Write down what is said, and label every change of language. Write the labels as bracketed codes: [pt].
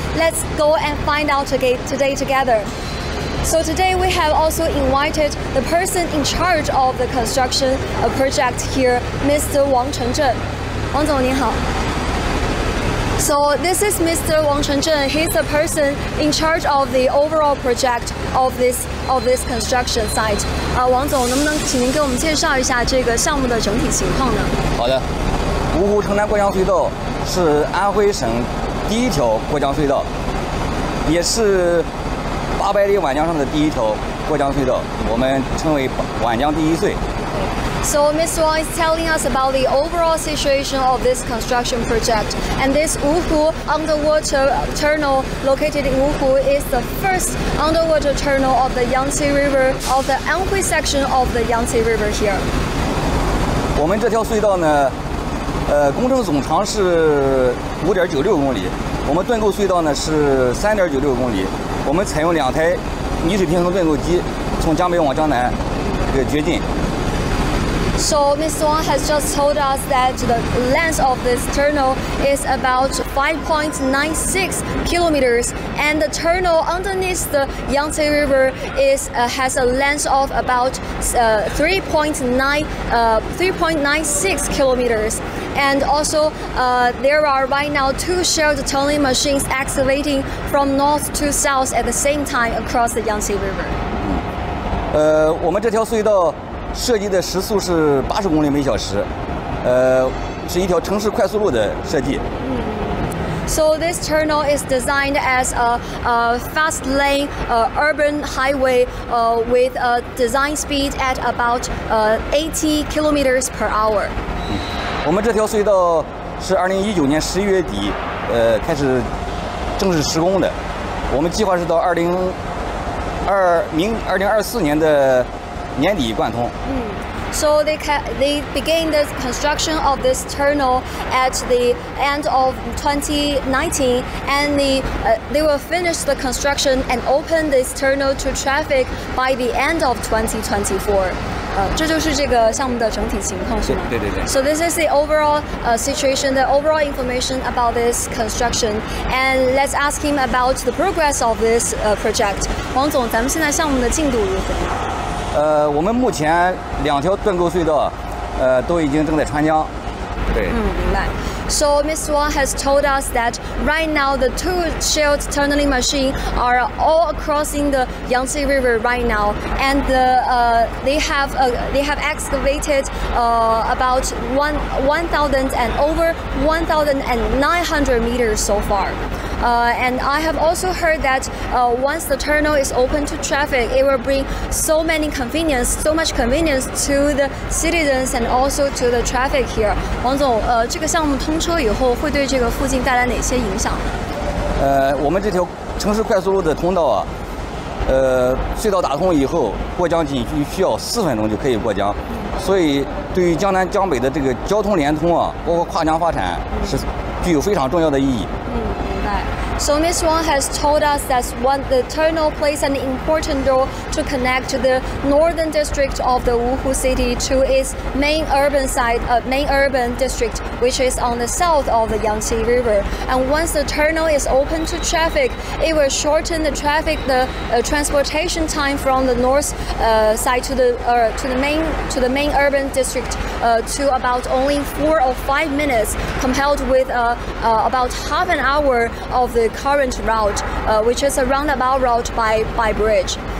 [en] Let's go and find out today together. So today we have also invited the person in charge of the construction project here, Mr. Wang Chengzhen. Wang 总, 您好. So this is Mr. Wang Chengzhen. He's the person in charge of the overall project of this construction site. [zh] 王总，能不能请您给我们介绍一下这个项目的整体情况呢？好的，芜湖城南过江隧道是安徽省第一条过江隧道，也是800里皖江上的第一条过江隧道，我们称为皖江第一隧。 [en] So Mr. Wang is telling us about the overall situation of this construction project. And this Wuhu underwater tunnel located in Wuhu is the first underwater tunnel of the Yangtze River, of the Anhui section of the Yangtze River here. [zh] 我们这条隧道呢，工程总长是5.96公里，我们盾构隧道呢是3.96公里。我们采用两台泥水平衡盾构机从江北往江南给掘进。 [en] So Ms. Wang has just told us that the length of this tunnel is about 5.96 kilometers, and the tunnel underneath the Yangtze River has a length of about 3.96 kilometers. And also, there are right now two shared tunneling machines excavating from north to south at the same time across the Yangtze River. [zh] 我们这条隧道设计的时速是80公里每小时，是一条城市快速路的设计。 [en] So this tunnel is designed as a fast lane urban highway with a design speed at about 80 kilometers per hour. [zh] 我们这条隧道是2019年11月底开始正式施工的，我们计划是到2024年的年底贯通。 [en] So they began the construction of this tunnel at the end of 2019, and they will finish the construction and open this tunnel to traffic by the end of 2024. [zh] 这就是这个项目的整体情况，是吗？对对对。 [en] So this is the overall situation, the overall information about this construction. And let's ask him about the progress of this project. [zh] 王总，咱们现在项目的进度如何？我们目前两条盾构隧道，都已经正在穿江。对。 [en] 明白。 So Ms. Wang has told us that right now the two shared tunneling machines are all crossing the Yangtze River right now, and they have excavated about 1,900 meters so far. And I have also heard that once the tunnel is open to traffic, it will bring so much convenience to the citizens and also to the traffic here. [zh] 王总，这个项目通车以后会对这个附近带来哪些影响？我们这条城市快速路的通道啊，隧道打通以后，过江仅需要4分钟就可以过江，所以对于江南江北的这个交通连通啊，包括跨江发展，是具有非常重要的意义。 [en] So Ms. Wang has told us that the tunnel plays an important role to connect the northern district of the Wuhu city to its main urban site, main urban district, which is on the south of the Yangtze River. And once the tunnel is open to traffic, it will shorten the traffic, the transportation time from the north side to the main urban district to about only 4 or 5 minutes, compared with about half an hour of the current route, which is a roundabout route by bridge.